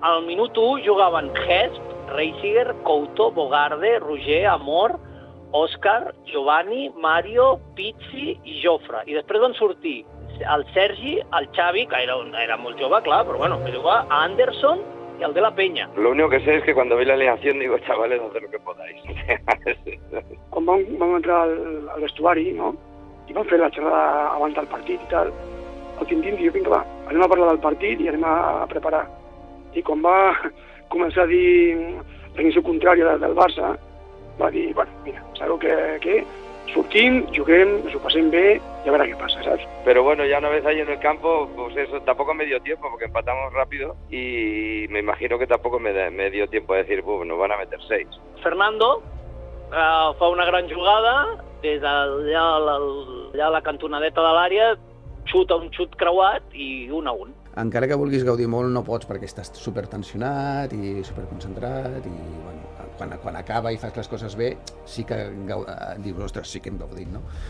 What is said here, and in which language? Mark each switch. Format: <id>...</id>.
<ca>Al minut 1 jugaven Hesp, Reisiger, Couto, Bogarde, Roger, Amor, Òscar, Giovanni, Mario, Pizzi i Jofre. I després van sortir el Sergi, el Xavi, que era molt jove, clar, però bueno, que jugava a Anderson,</ca> <es>y al de la Peña. Lo único que sé es que cuando vi la alineación digo, chavales, haced lo que podáis. Cuando</es> <ca>vam entrar al vestuari, ¿no? Y vam fer la xerrada abans del partit i tal. El Tintín diu, vinga, va, anem a parlar del partit i anem a preparar. I quan va començar a dir l'inici contrari del Barça, va dir, bueno, mira, sabeu que sortim, juguem, ens ho passem bé i a veure què passa, saps? Però bueno, ja</ca> <es>una vez allí en el campo, pues eso, tampoco me dio tiempo porque empatamos rápido y me imagino que tampoco me dio tiempo a decir, buf, nos van a meter 6.</es> <ca>Fernando fa una gran jugada des d'allà a la cantonadeta de l'àrea, xuta un xut creuat i 1-1. Encara que vulguis gaudir molt, no pots perquè estàs supertensionat i superconcentrat i, bueno, quan acaba i fas les coses bé, sí que dius, ostres, sí que hem gaudit, no?</ca>